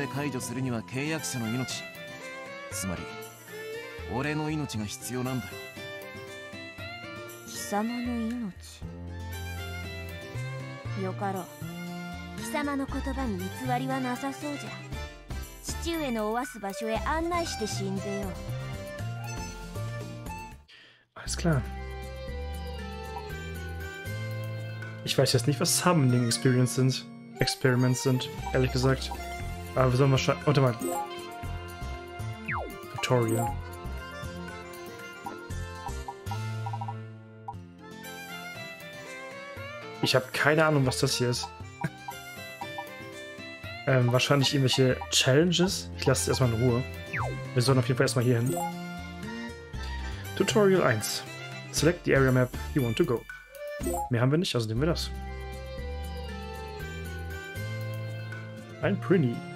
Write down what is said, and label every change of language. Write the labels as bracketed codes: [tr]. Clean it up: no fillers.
[ja] とにかくだ。約束は守る。お前を父親のもとへ送り返す。これは男の約束だ。どうも信用ならんな。そこまで申すのなら今すぐに世を解放せよ。どうじゃ。それができるならとっくにやってる。契約を途中で解除するには契約者の命、つまり 俺の命が必要なんだよ。貴様の命。よかろう。貴様の言葉に偽りはなさそうじゃ。父上のおわす場所へ案内して死んでよ。 [de] Alles klar. Ich weiß jetzt nicht, was Summoning Experiments sind, ehrlich gesagt. Aber wir sollen wahrscheinlich. Warte mal. [en] Tutorial. [de] Ich habe keine Ahnung, was das hier ist. wahrscheinlich irgendwelche Challenges. Ich lasse es erstmal in Ruhe. Wir sollen auf jeden Fall erstmal hier hin. [en] Tutorial 1. Select the area map you want to go. [de] Mehr haben wir nicht, also nehmen wir das. Ein Prinny.